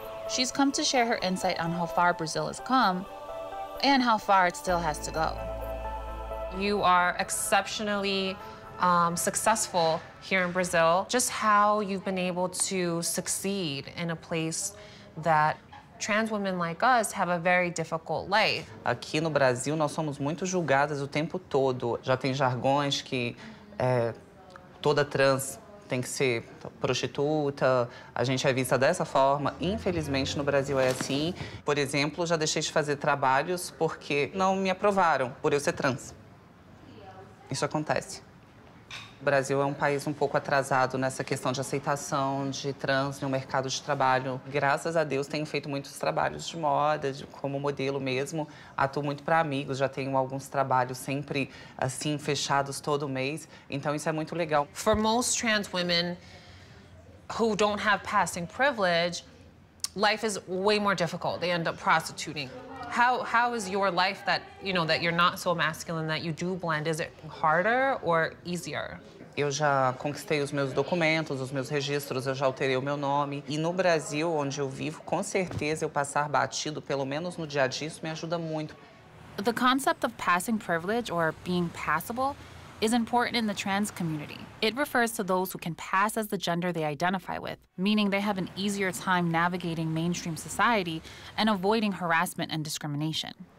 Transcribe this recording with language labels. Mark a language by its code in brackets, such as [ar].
[en] She's come to share her insight on how far Brazil has come and how far it still has to go. You are exceptionally successful here in Brazil, just how you've been able to succeed in a place that trans women like us have a very difficult life. [pt] Aqui no Brasil, nós somos muito julgadas o tempo todo. Já tem jargões que toda trans tem que ser prostituta, a gente é vista dessa forma. Infelizmente, no Brasil é assim. Por exemplo, já deixei de fazer trabalhos porque não me aprovaram por eu ser trans. Isso acontece. O Brasil é um país um pouco atrasado nessa questão de aceitação de trans no mercado de trabalho. Graças a Deus, tenho feito muitos trabalhos de moda, como modelo mesmo. Atuo muito para amigos, já tenho alguns trabalhos sempre assim fechados todo mês. Então isso é muito legal. [en] For most trans women who don't have passing privilege, life is way more difficult. They end up prostituting. How is your life that, you know, that you're not so masculine, that you do blend, is it harder or easier? [pt] Eu já conquistei os meus documentos, os meus registros, eu já alterei o meu nome. E no Brasil, onde eu vivo, com certeza eu passar batido, pelo menos no dia a dia, isso me ajuda muito. [en] The concept of passing privilege or being passable is important in the trans community. It refers to those who can pass as the gender they identify with, meaning they have an easier time navigating mainstream society and avoiding harassment and discrimination.